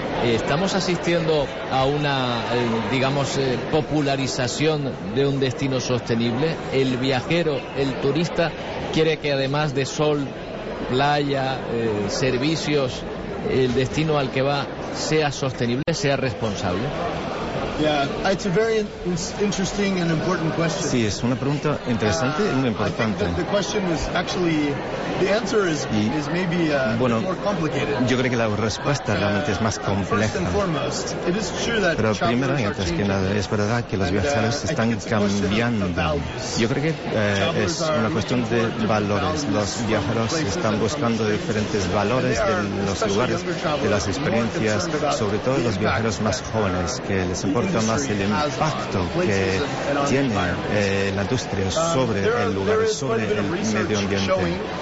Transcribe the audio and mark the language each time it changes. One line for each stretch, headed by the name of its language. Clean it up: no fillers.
Spanish: ¿Estamos asistiendo a una, digamos, popularización de un destino sostenible? ¿El viajero, el turista, quiere que además de sol, playa, servicios, el destino al que va sea sostenible, sea responsable?
English: Yeah, it's a very interesting and important question.
Spanish: Sí, es una pregunta interesante y muy importante.
English: The question is actually, the answer is maybe
Spanish: bueno,
English: more complicated.
Spanish: Yo creo que la respuesta realmente es más compleja.
English: First and foremost, it is true that
Spanish: pero primero y antes que nada, es verdad que los viajeros están cambiando. Yo creo que es una cuestión de valores. Los viajeros están buscando diferentes valores de los lugares, de las experiencias, sobre todo los viajeros más jóvenes, que les importa más el impacto que tiene la industria sobre el lugar, sobre el medio ambiente.